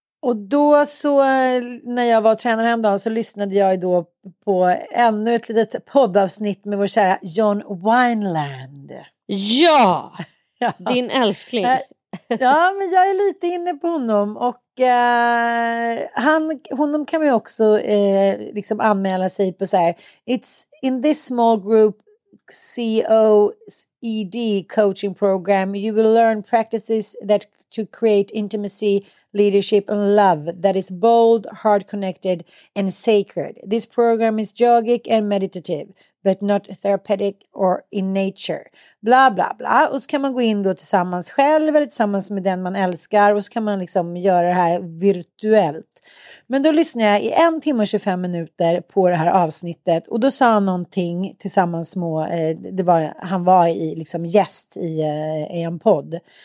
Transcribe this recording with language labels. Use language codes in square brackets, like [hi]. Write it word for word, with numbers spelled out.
[sv] Och då så när jag var tränare hemdagen så lyssnade jag då på ännu ett litet poddavsnitt med vår kära John Wineland. Ja! Ja. Din älskling. Ja, men jag är lite inne på honom och eh, han, honom kan man ju också eh, liksom anmäla sig på så här. [en] It's in this small group C O E D coaching program you will learn practices that to create intimacy, leadership and love that is bold, heart connected and sacred. This program is yogic and meditative but not therapeutic or in nature. Bla bla bla. [sv] Och så kan man gå in då tillsammans själv eller tillsammans med den man älskar och så kan man liksom göra det här virtuellt. Men då lyssnade jag i en timme och tjugofem minuter på det här avsnittet och då sa han någonting tillsammans med, eh, det var, han var i, liksom gäst i, eh, i en podd.